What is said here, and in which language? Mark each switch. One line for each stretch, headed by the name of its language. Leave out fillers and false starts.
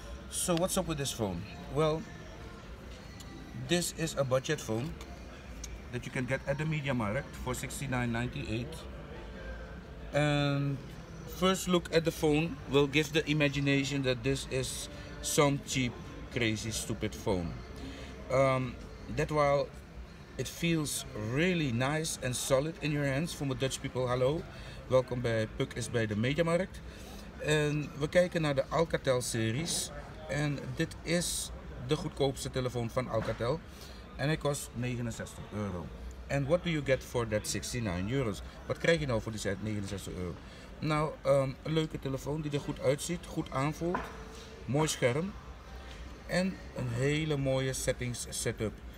English: So what's up with this phone? Well, this is a budget phone that you can get at the Media Markt for $69.98, and first look at the phone will give the imagination that this is some cheap, crazy, stupid phone. That while it feels really nice and solid in your hands. From the Dutch people, hallo.
Dutch: Welkom bij Puk is bij de Media Markt. En we kijken naar de Alcatel series. En dit is de goedkoopste telefoon van Alcatel. En hij kost 69 euro.
English: And what do you get for that 69 euros?
Dutch: Wat krijg je nou voor die 69 euro? Nou, een leuke telefoon die er goed uitziet, goed aanvoelt. Mooi scherm. En een hele mooie settings setup.